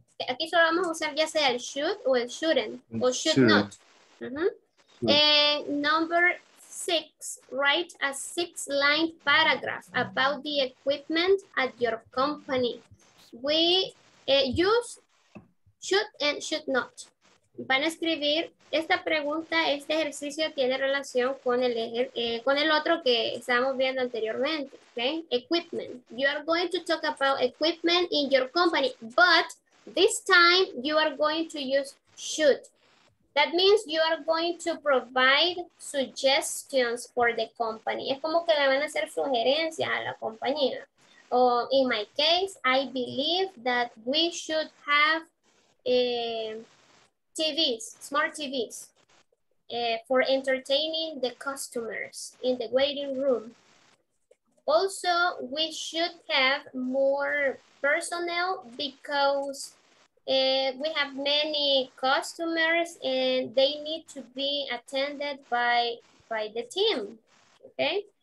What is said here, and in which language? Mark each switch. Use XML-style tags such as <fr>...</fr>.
<es>Aquí solo vamos a usar ya sea el should o el shouldn't o should sure. not. Sure.</es> <en>And number 6, write a 6-line paragraph about the equipment at your company. We use should and should not.</en> <es>Van a escribir esta pregunta, este ejercicio tiene relación con el otro que estábamos viendo anteriormente, okay?</es> <en>Equipment. You are going to talk about equipment in your company, but this time you are going to use should. That means you are going to provide suggestions for the company.</en> <es>Es como que le van a hacer sugerencias a la compañía.</es> <en>Oh, in my case, I believe that we should have TVs, smart TVs, for entertaining the customers in the waiting room. Also, we should have more personnel because we have many customers and they need to be attended by the team, okay?</en>